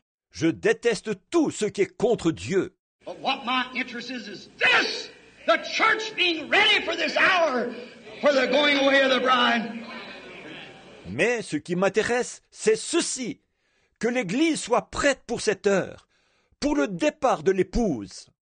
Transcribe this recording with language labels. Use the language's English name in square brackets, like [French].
[French] Je déteste tout ce qui est contre Dieu. [English] But what my interest is this, the church being ready for this hour, for the going away of the bride. [French] Mais ce qui m'intéresse, c'est ceci, que l'Église soit prête pour cette heure, pour le départ de l'épouse.